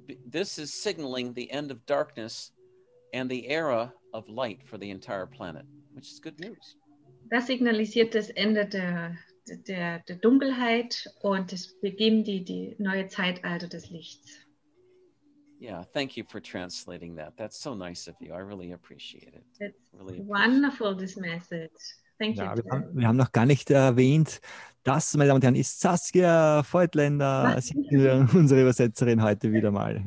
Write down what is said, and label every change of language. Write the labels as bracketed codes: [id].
[en] This is signaling the end of darkness and the era of light for the entire planet, which is good news. [de] Das signalisiert das Ende der Dunkelheit und es beginnt die neue Zeitalter des Lichts. [en] Yeah, thank you for translating that. That's so nice of you. I really appreciate it. It's really wonderful, this message. Thank you. [de] Wir haben noch gar nicht erwähnt, das, meine Damen und Herren, ist Saskia Voigtländer, unsere Übersetzerin heute wieder mal.